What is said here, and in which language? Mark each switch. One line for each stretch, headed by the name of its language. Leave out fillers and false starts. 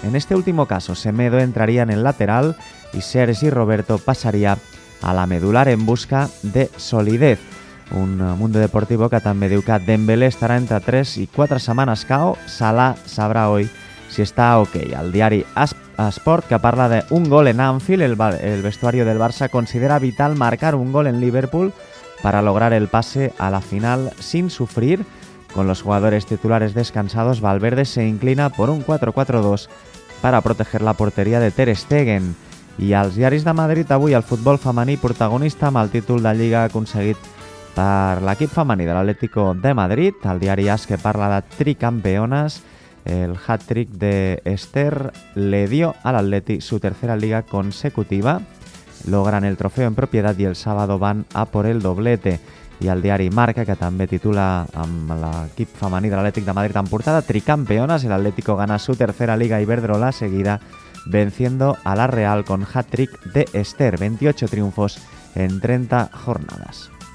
Spanish: En este último caso, Semedo entraría en el lateral y Sergi Roberto pasaría a la medular en busca de solidez.
Catalan: Un Mundo Deportivo que també diu que Dembélé estarà entre 3 i 4 setmanes KO. Salah sabrà avui si està ok. El diari Sport, que parla d'un gol en Anfield,
Spanish: el vestuario del Barça considera vital marcar un gol en Liverpool para lograr el pase a la final sin sufrir. Con los jugadores titulares descansados, Valverde se inclina por un 4-4-2 para proteger la portería de Ter Stegen.
Catalan: I als diaris de Madrid, avui el futbol femení protagonista amb el títol de Lliga aconseguit per l'equip femení de l'Atlético de Madrid. El diari AS, que parla de
Spanish: tricampeones, el hat-trick de Esther le dio al Atleti su tercera liga consecutiva. Logran el trofeo en propiedad y el sábado van a por el doblete.
Catalan: I el diari Marca, que també titula amb l'equip femení de l'Atlètic de Madrid en portada,
Spanish: tricampeones, el Atlético gana su tercera liga Iberdrola seguida, venciendo a la Real con hat-trick de Esther. 28 triunfos en 30 jornadas.